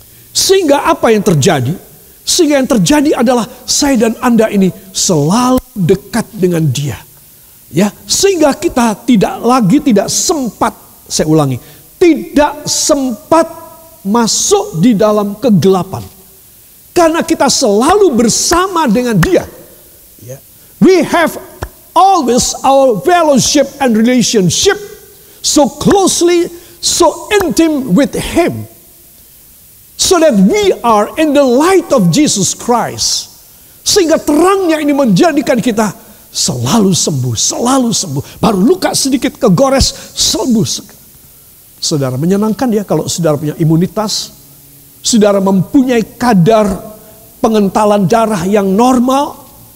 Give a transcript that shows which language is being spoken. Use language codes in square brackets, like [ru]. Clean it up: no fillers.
[id] Sehingga apa yang terjadi? Sehingga yang terjadi adalah saya dan Anda ini selalu dekat dengan Dia. Ya, sehingga kita tidak sempat masuk di dalam kegelapan. Karena kita selalu bersama dengan Dia. Ya. [en] We have always our fellowship and relationship so closely, so intimate with Him. So that we are in the light of Jesus Christ. [id] Sehingga terangnya ini menjadikan kita selalu sembuh, selalu sembuh. Baru luka sedikit kegores, sembuh. Saudara, menyenangkan ya kalau saudara punya imunitas. Saudara mempunyai kadar pengentalan darah yang normal.